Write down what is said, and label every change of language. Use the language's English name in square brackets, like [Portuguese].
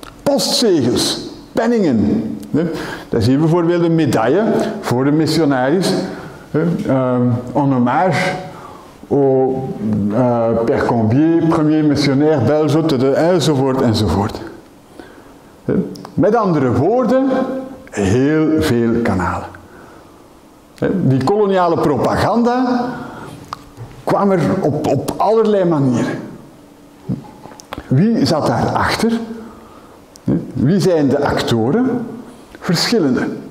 [Dutch] Postzegels, penningen. Daar zien we bijvoorbeeld een medaille voor de missionaris. [French] En hommage au Père Combier, premier missionnaire belge, [Dutch] enzovoort, enzovoort. Met andere woorden, heel veel kanalen. Die koloniale propaganda kwam er op allerlei manieren. Wie zat daarachter? Wie zijn de actoren? Verschillende.